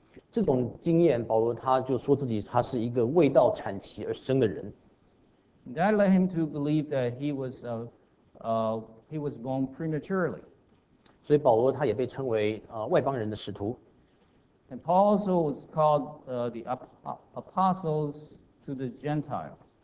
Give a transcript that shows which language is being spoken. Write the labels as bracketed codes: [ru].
[zh] 这种经验，保罗他就说自己他是一个为道产期而生的人。 [en] That led him to believe that he was born prematurely. [zh] 所以保罗他也被称为外邦人的使徒。 [en] And Paul also was called the apostles to the Gentiles.